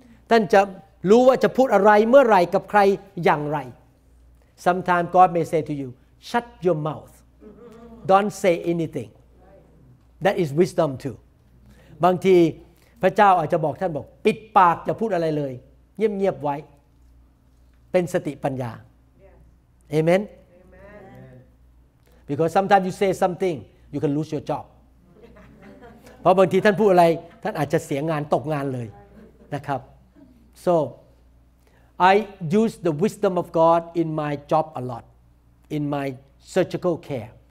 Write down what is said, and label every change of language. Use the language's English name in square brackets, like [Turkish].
[Thai] ท่านจะรู้ว่าจะพูดอะไรเมื่อไรกับใครอย่างไร [English] Sometimes God may say to you, shut your mouth, don't say anythingThat is wisdom too. [Thai] บางทีพระเจ้าอาจจะบอกท่านบอกปิดปากอย่าพูดอะไรเลยเงียบๆไว้เป็นสติปัญญา Amen. [English] Amen. Because sometimes you say something, you can lose your job. [Thai] เพราะบางทีท่านพูดอะไรท่านอาจจะเสียงานตกงานเลยนะครับ [English] So I use the wisdom of God in my job a lot, in my surgical care.